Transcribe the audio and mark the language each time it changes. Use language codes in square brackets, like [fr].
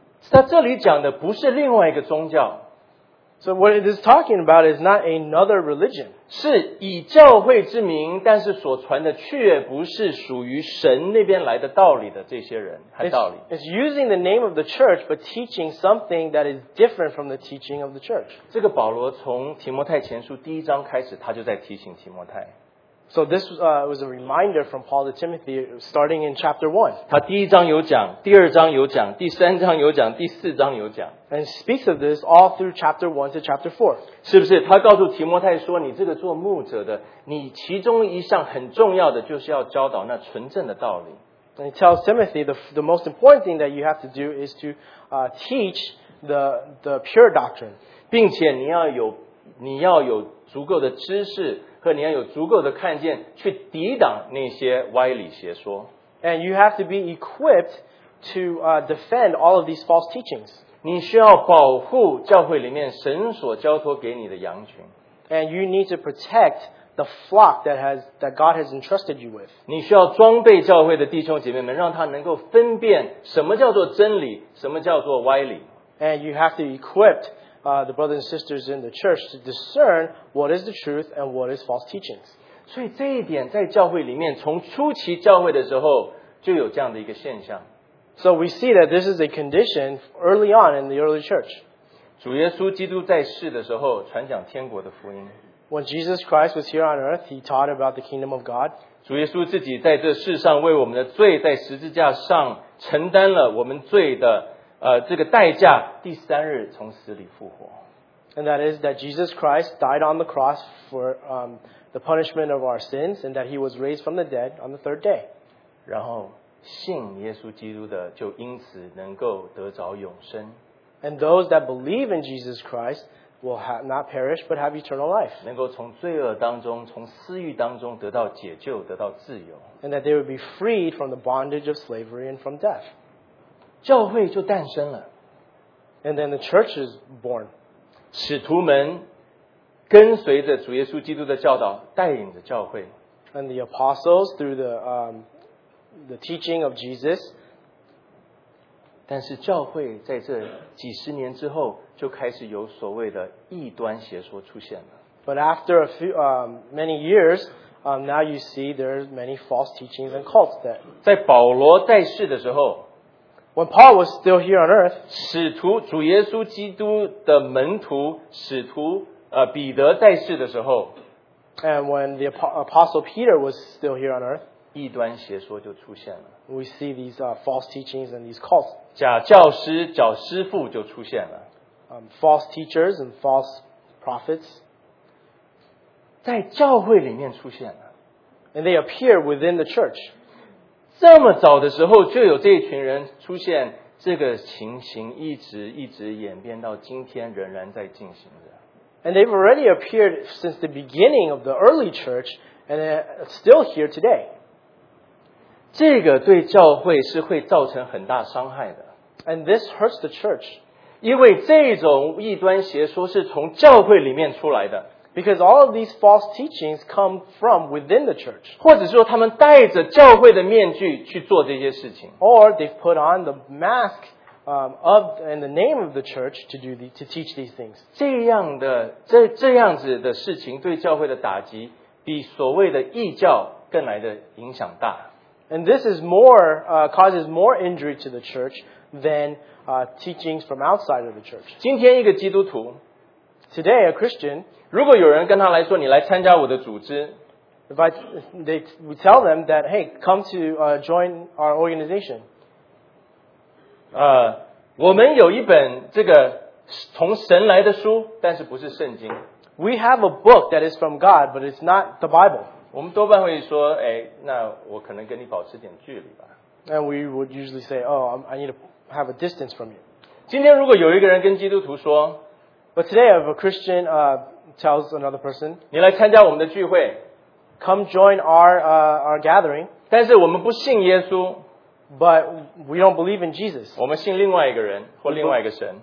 [zh] 他这里讲的不是另外一个宗教。 [en] So what it is talking about is not another religion. [zh] 是以教会之名，但是所传的却不是属于神那边来的道理的这些人和道理。 [en] It's using the name of the church, but teaching something that is different from the teaching of the church. [zh] 这个保罗从提摩太前书第一章开始，他就在提醒提摩太。 [en] So this was a reminder from Paul to Timothy, starting in chapter 1. [zh] 他第一章有讲，第二章有讲，第三章有讲，第四章有讲。 [en] And speaks of this all through chapter 1 to chapter 4. [zh] 是不是？他告诉提摩太说，你这个做牧者的，你其中一项很重要的就是要教导那纯正的道理。 [en] And he tells Timothy the most important thing that you have to do is to teach the pure doctrine. [zh] 并且你要有足够的知识。和你要有足够的看见去抵挡那些歪理邪说。 [en] And you have to be equipped to defend all of these false teachings. [zh] 你需要保护教会里面神所交托给你的羊群。 [en] And you need to protect the flock that God has entrusted you with. [zh] 你需要装备教会的弟兄姐妹们让他能够分辨什么叫做真理什么叫做歪理。 [en] And you have to be equipped,the brothers and sisters in the church to discern what is the truth and what is false teachings. [zh] 所以这一点在教会里面从初期教会的时候就有这样的一个现象。 [en] So we see that this is a condition early on in the early church. [zh] 主耶稣基督在世的时候传讲天国的福音。 [en] When Jesus Christ was here on earth, he taught about the kingdom of God. [zh] 主耶稣自己在这世上为我们的罪在十字架上承担了我们罪的这个代价，第三日从死里复活。 [en] And that is that Jesus Christ died on the cross for the punishment of our sins, and that he was raised from the dead on the third day. [zh] 然后信耶稣基督的就因此能够得着永生。 [en] And those that believe in Jesus Christ will have not perish but have eternal life. [zh] 能够从罪恶当中，从私欲当中得到解救，得到自由。 [en] And that they would be freed from the bondage of slavery and from death. [zh] 教会就诞生了。 [en] And then the church is born. [zh] 使徒们跟随着主耶稣基督的教导，带领着教会。 [en] And the apostles through the teaching of Jesus. [zh] 但是教会在这几十年之后就开始有所谓的异端邪说出现了。 [en] But after a few, many years, now you see there are many false teachings and cults that. [zh] 在保罗在世的时候， [en] When Paul was still here on earth, [zh] 使徒主耶稣基督的门徒使徒彼得在世的时候， [en] And when the apostle Peter was still here on earth, [zh] 异端邪说就出现了。 [en] We see these false teachings and these cults. [zh] 假教师、假师父就出现了。 [en] False teachers and false prophets. [zh] 在教会里面出现了。 [en] And they appear within the church. [zh] 这么早的时候就有这一群人出现，这个情形一直一直演变到今天仍然在进行着。 [en] And they've already appeared since the beginning of the early church and still here today. [zh] 这个对教会是会造成很大伤害的。 [en] And this hurts the church. [zh] 因为这种异端邪说是从教会里面出来的。 [en] Because all of these false teachings come from within the church. [zh] 或者说他们戴着教会的面具去做这些事情。 [en] Or they've put on the mask, of, and the name of the church to do the, to teach these things. [zh] 这样子的事情对教会的打击比所谓的异教更来的影响大。 [en] And this is more, causes more injury to the church than teachings from outside of the church. [zh] 今天一个基督徒 [en] Today, a Christian, [zh] 如果有人跟他来说你来参加我的组织 [en] we tell them that, hey, come to join our organization. [zh] 我们有一本这个从神来的书但是不是圣经 [en] We have a book that is from God, but it's not the Bible. [zh] 我们多半会说，哎，那我可能跟你保持点距离吧。 [en] And we would usually say, oh, I need to have a distance from you. [zh] 今天如果有一个人跟基督徒说 [en] ，But today if a Christian tells another person, [zh] 你来参加我们的聚会 [en] ，Come join our gathering. [zh] 但是我们不信耶稣 [en] ，But we don't believe in Jesus. [zh] 我们信另外一个人或另外一个神。